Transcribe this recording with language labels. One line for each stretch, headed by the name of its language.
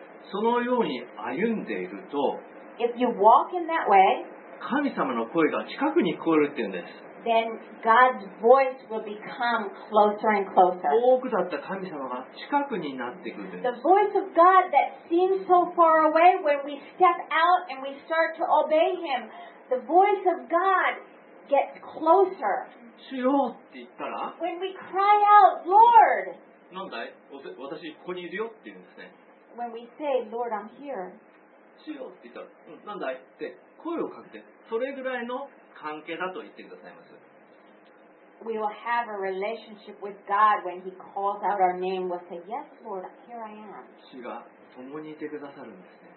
Japanese: そのように歩んでいると、
English: If you walk in that way,
Japanese: 神様の声が近くに聞こえるっていうんです。
English: Then God's voice will become closer and closer.
Japanese: 遠くだった神様が近くになってくるんです。
English: The voice of God that seems so far away when we step out and we start to obey Him, the voice of God. Get closer.
Japanese: 主よって言ったら、
English: When we cry out, Lord,
Japanese: 何だい？私ここにいるよって言うんですね。
English: When we say, Lord, I'm here.
Japanese: 主よって言ったら、何だい？って声をかけて、それぐらいの関係だと言ってくださいます。
English: We will have a relationship with God when He calls out our name. We'll say, Yes, Lord, here I am.
Japanese: 主が共にいてくださるんですね。